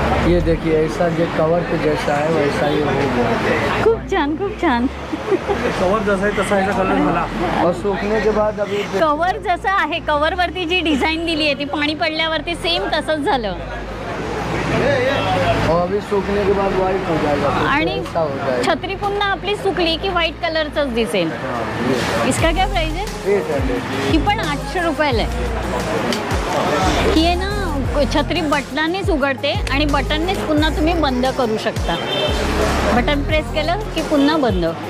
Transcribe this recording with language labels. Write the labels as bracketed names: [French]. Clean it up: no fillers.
[Hindi] ये देखिए ऐसा जे कवर पे जैसा है वैसा ही हो गया। [Marathi] खूप छान खूप छान। कवर जसा आहे तसा ऐसा कलर झाला। [Hindi] सुकने के बाद अभी [Marathi] कवर जसा आहे कवर वरती जी डिझाईन दिली आहे ती पाणी पडल्यावरती सेम तसंच झालं। [Hindi] अभी सुकने के बाद व्हाइट हो जाएगा। [Marathi] आणि छत्री पुन्हा आपली सुकली की व्हाइट कलरचाच दिसेल। [Hindi] इसका क्या प्राइस है? 800। [Marathi] ही पण 800 रुपये आहे। ही आहे ना छत्री बटणानेच उघडते आणि बटननेच पुन्हा तुम्ही बंद करू शकता। बटन प्रेस केलं की पुन्हा बंद।